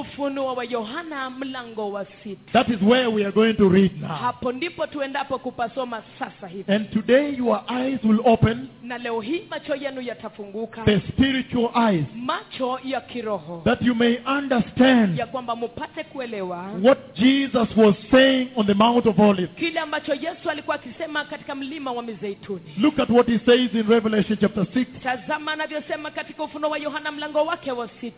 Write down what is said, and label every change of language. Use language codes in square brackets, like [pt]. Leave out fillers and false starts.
[sw] Ufunuo wa Yohana mlango wa 6. [en] That is where we are going to read now. [sw] Hapo ndipo tuendapo kupasoma sasa hivi. [en] And today your eyes will open. [sw] Na leo hii macho yenu yatafunguka. [en] The spiritual eyes. [sw] Macho ya kiroho. [en] That you may understand. [sw] Ya kwamba mupate kuelewa. [en] What Jesus was saying on the Mount of Olives. [sw] Kile ambacho Yesu alikuwa akisema katika mlima wa Mizeituni. [en] Look at what he says in Revelation chapter 6. [sw] Tazama anavyosema katika ufunuo wa Yohana mlango wake wa 6.